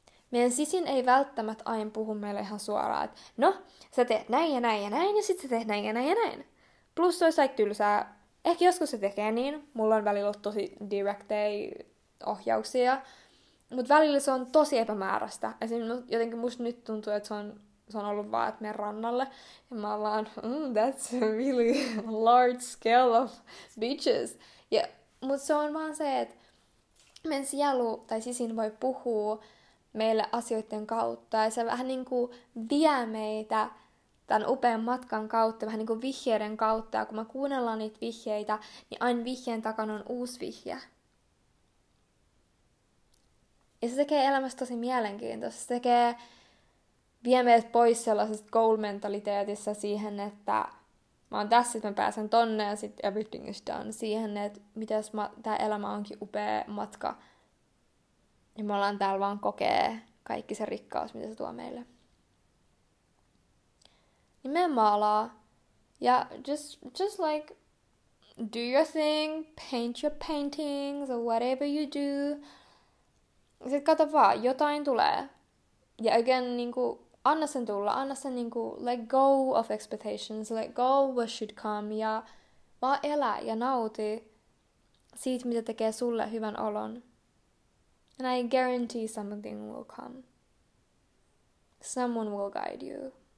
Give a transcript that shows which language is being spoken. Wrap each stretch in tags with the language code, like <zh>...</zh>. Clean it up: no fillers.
<fi>Meidän sisin ei välttämättä aina puhu meille ihan suoraan, että no, sä teet näin ja näin ja näin, ja sit sä teet näin ja näin ja näin. Plus se olisi aika tylsää. Ehkä joskus se tekee niin. Mulla on välillä tosi direktei ohjauksia. Mut välillä se on tosi epämääräistä. Esimerkiksi jotenkin musta nyt tuntuu, että se on ollut vaan, että meidän rannalle. Ja mä vaan,</fi> <en>that's a really large scale of bitches.</en> <fi>Ja, mut se on vaan se, että meidän sielu tai sisin voi puhua meille asioiden kautta. Ja se vähän niinku vie meitä tämän upean matkan kautta, vähän niin kuin vihjeiden kautta, ja kun me kuunnellaan niitä vihjeitä, niin aina vihjeen takana on uusi vihje. Ja se tekee elämästä tosi mielenkiintoista. Se tekee, vie meidät pois sellaisesta goal-mentaliteetissa siihen, että mä oon tässä, sitten mä pääsen tonne, ja sitten</fi> <en>everything is done.</en> <fi>Siihen, että mitäs tämä elämä onkin upea matka. Ja me ollaan täällä vaan kokee kaikki se rikkaus, mitä se tuo meille. Niin mene maalaa.</fi> <en>Ja just like, do your thing, paint your paintings, or whatever you do.</en> <fi>Sit kato vaan, jotain tulee. Ja again, niinku, anna sen tulla, anna sen niinku,</fi> <en>let go of expectations, let go what should come,</en> <fi>ja vaan elä ja nauti siitä, mitä tekee sulle hyvän olon.</fi> <en>And I guarantee something will come. Someone will guide you.</en>